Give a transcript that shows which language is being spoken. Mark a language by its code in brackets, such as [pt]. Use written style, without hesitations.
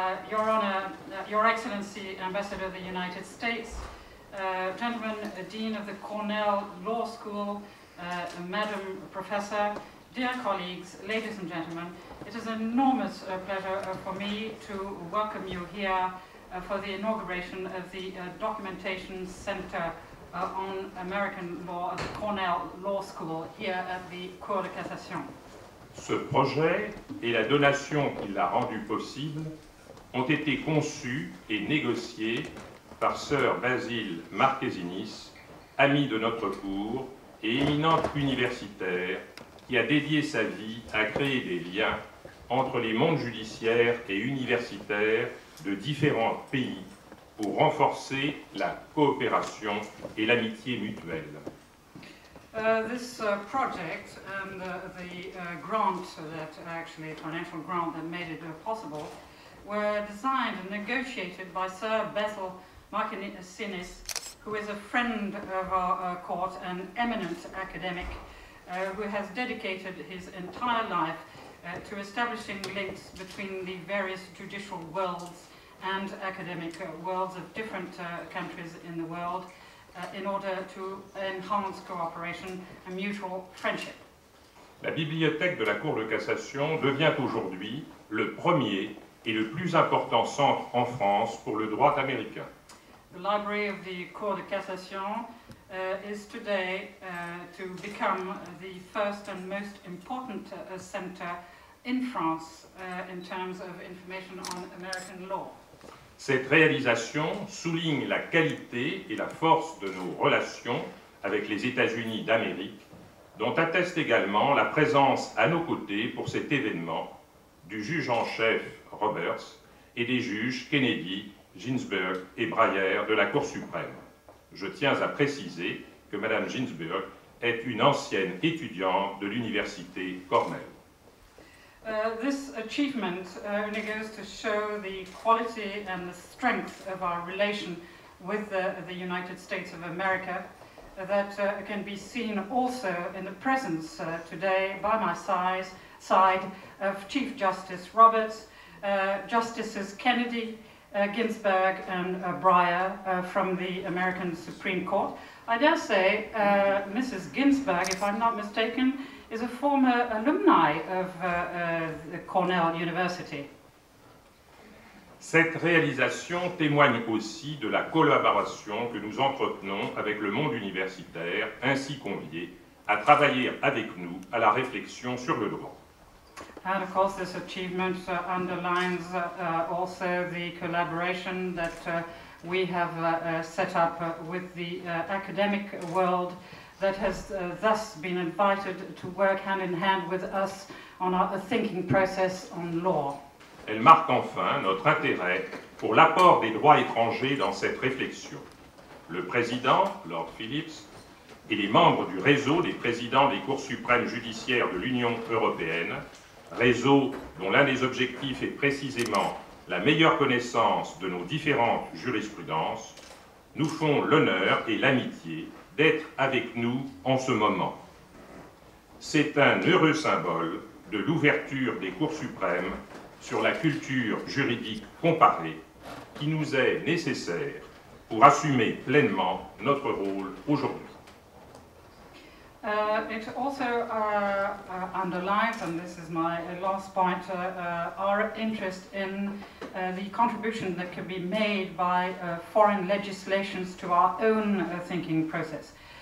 [en] Your Honor, Your Excellency, Ambassador of the United States, gentlemen, Dean of the Cornell Law School, Madam Professor, dear colleagues, ladies and gentlemen, it is an enormous pleasure for me to welcome you here for the inauguration of the Documentation Center on American Law at the Cornell Law School here at the Cour de Cassation. [fr] Ce projet et la donation qui l'a rendu possible ont été conçus et négociés par Sir Basil Marquesinis, ami de notre cour et éminent universitaire qui a dédié sa vie à créer des liens entre les mondes judiciaires et universitaires de différents pays pour renforcer la coopération et l'amitié mutuelle. [en] This project and the grant that actually a financial grant that made it possible were designed and negotiated by Sir Basil Marquesinis, who is a friend of our court, an eminent academic who has dedicated his entire life to establishing links between the various judicial worlds and academic worlds of different countries in the world. In order to enhance cooperation and mutual friendship. [fr] La bibliothèque de la Cour de cassation devient aujourd'hui le premier et le plus important centre en France pour le droit américain. [en] The library of the Cour de cassation is today to become the first and most important center in France in terms of information on American law. [fr] Cette réalisation souligne la qualité et la force de nos relations avec les États-Unis d'Amérique, dont atteste également la présence à nos côtés pour cet événement du juge en chef Roberts et des juges Kennedy, Ginsburg et Breyer de la Cour suprême. Je tiens à préciser que Madame Ginsburg est une ancienne étudiante de l'Université Cornell. [en] This achievement only goes to show the quality and the strength of our relation with the United States of America that can be seen also in the presence today by my side of Chief Justice Roberts, Justices Kennedy, Ginsburg and Breyer from the American Supreme Court. I dare say Mrs. Ginsburg, if I'm not mistaken, is a former alumni of Cornell University. [fr] Cette réalisation témoigne aussi de la collaboration que nous entretenons avec le monde universitaire ainsi convié à travailler avec nous à la réflexion sur le droit. [en] And of course this achievement underlines also the collaboration that we have set up with the academic world that has thus been invited to work hand in hand with us on our thinking process on law. [fr] Elle marque enfin notre intérêt pour l'apport des droits étrangers dans cette réflexion. Le président, Lord Phillips, et les membres du réseau des présidents des cours suprêmes judiciaires de l'Union européenne, réseau dont l'un des objectifs est précisément la meilleure connaissance de nos différentes jurisprudences, nous font l'honneur et l'amitié d'être avec nous en ce moment. C'est un heureux symbole de l'ouverture des cours suprêmes sur la culture juridique comparée qui nous est nécessaire pour assumer pleinement notre rôle aujourd'hui. [en] It also underlines, and this is my last point, our interest in the contribution that can be made by foreign legislations to our own thinking process.